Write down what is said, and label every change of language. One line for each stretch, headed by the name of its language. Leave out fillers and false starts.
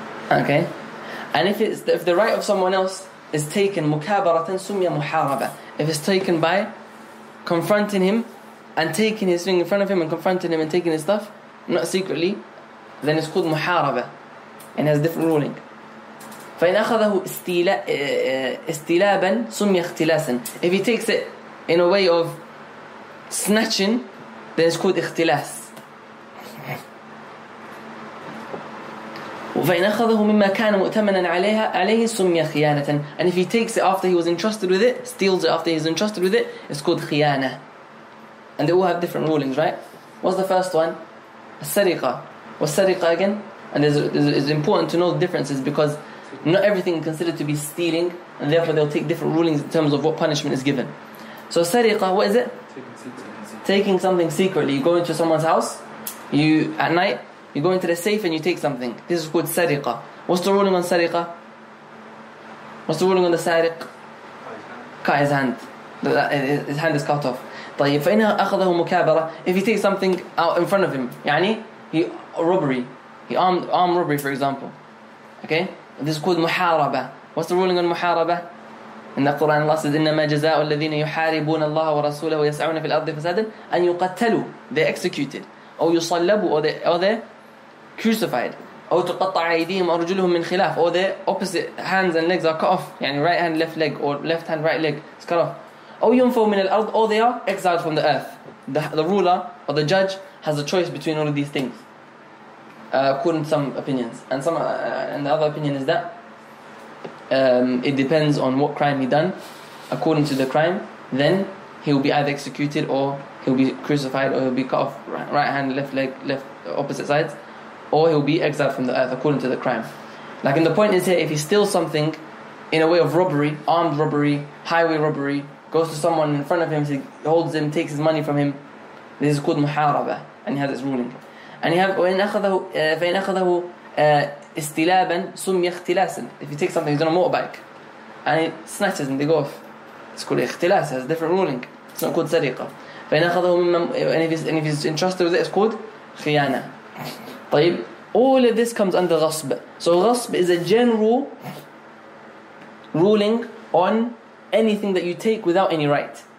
English: Okay, and if the right of someone else is taken mukabaratan summiya muharaba, if it's taken by confronting him and taking his thing in front of him and confronting him and taking his stuff not secretly, then it's called muharaba, and has different ruling.
Arabic: فإن أخذه استيلابا سمي اختلاسا.
English: If he takes it in a way of snatching, then it's called اختلاس.
Arabic: وفإن أخذه مما كان مؤتمنا عليها عليه سمي خيانة.
English: And if he takes it after he was entrusted with it, steals it after he is entrusted with it, it's called خيانة. And they all have different rulings, right? What's the first one? السرقة. What's سرقة again? And it's important to know the differences, because not everything is considered to be stealing, and therefore they'll take different rulings in terms of what punishment is given. So sariqa, what is it? Taking something secretly. You go into someone's house, you at night, you go into the safe and you take something. This is called sariqa. What's the ruling on sariqa? What's the ruling on the sariq? Cut his hand. His hand is cut off.
Arabic: طيب فإن أخذه مكابرة.
English: If he takes something out in front of him, يعني he robbery, he armed robbery, for example. Okay, this is called muharaba. What's the ruling on muharaba? In the Quran, Allah says,
Arabic: إِنَّمَا جَزَاءُ الَّذِينَ يُحَارِبُونَ اللَّهَ وَرَسُولَهُ وَيَسْعَوْنَ فِي الْأَرْضِ فَسَادًا أَنْ يُقَتَّلُوا.
English: They're executed.
Arabic: أو يُصَلَّبُوا.
English: Or they're crucified.
Arabic: أو تُقَطَّعَ أَيْدِيهِمْ وَأَرْجُلُهُمْ مِنْ خِلَافٍ.
English: Or their opposite hands and legs are cut off. يعني right hand, left leg. Or left hand, right leg. It's cut off.
Arabic: أو يُنْفَوْا مِنَ الْأَرْضِ.
English: Or they are exiled from the earth. The ruler or the judge has a choice between all of these things, according to some opinions. And and the other opinion is that it depends on what crime he done. According to the crime, then he will be either executed or he will be crucified, or he will be cut off right hand, left leg, left opposite sides, or he will be exiled from the earth according to the crime. Like, and the point is here, if he steals something in a way of robbery, armed robbery, highway robbery, goes to someone in front of him, holds him, takes his money from him, this is called muharaba, and he has his ruling. And he have
Arabic: فإن أخذه استلابا سمي اختلاسا.
English: If you take something, he's on a motorbike and he snatches and they go off, it's called اختلاس. It has a different ruling. It's not called سرقة.
Arabic: فإن أخذه مما,
English: and if he's entrusted with it, it's called خيانة. طيب, all of this comes under غصب. So غصب is a general ruling on anything that you take without any right.